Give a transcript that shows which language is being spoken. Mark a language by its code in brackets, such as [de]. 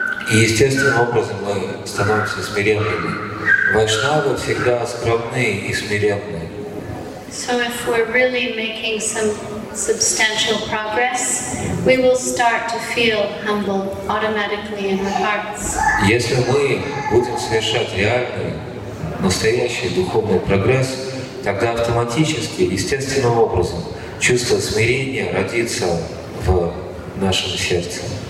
[ru] И естественным образом мы становимся смиренными. Вайшнавы всегда скромны и смиренны. [en] So if we're really making some substantial progress, we will start to feel humble automatically in our hearts. [ru] Если мы будем совершать реальный, настоящий духовный прогресс, тогда автоматически, естественным образом, чувство смирения родится в нашем сердце.